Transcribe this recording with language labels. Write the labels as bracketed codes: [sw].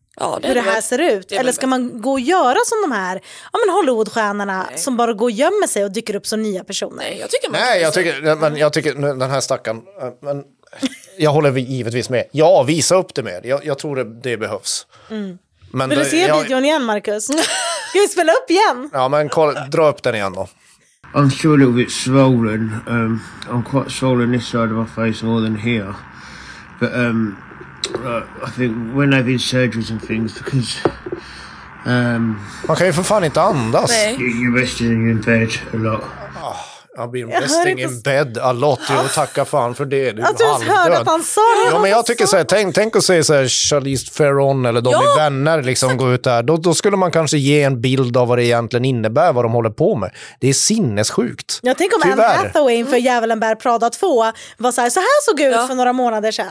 [sv] Ja, det hur det här ser ut. Eller ska man gå och göra som de här Hollywoodstjärnorna som bara går och gömmer sig och dyker upp som nya personer? Nej, jag tycker, den här stackaren, men jag håller givetvis med. Ja, visa upp det mer. Jag tror det behövs. Mm. Men vill du se videon igen, Marcus? Ska vi spela upp igen? Ja, men kolla, dra upp den igen då. [en] I'm still a little bit swollen. I'm quite swollen this side of my face more than here. But I think when I've been surgeries and things because [sv] man kan ju för fan inte andas. [en] You're resting in bed a lot. [sv] Jag blir [en] resting in bed a lot. [sv] Jag tackar fan för det. Jag tror jag hörde att han sa det. Ja, men jag tycker så här, tänk och säga så här, Charlize Theron eller de är vänner liksom gå ut där. Då skulle man kanske ge en bild av vad det egentligen innebär, vad de håller på med. Det är sinnessjukt. Jag tänker om Anne Hathaway inför Djävulen bär Prada 2 var så här såg ut för några månader sedan.